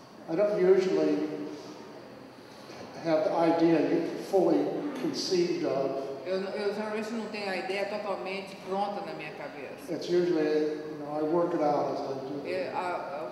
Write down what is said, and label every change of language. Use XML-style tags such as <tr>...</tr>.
<en>I don't usually have the idea fully conceived of.</en> <pt>Eu geralmente não tenho a ideia totalmente pronta na minha cabeça.</pt> <en>It's usually, you know, I work it out as I do.</en>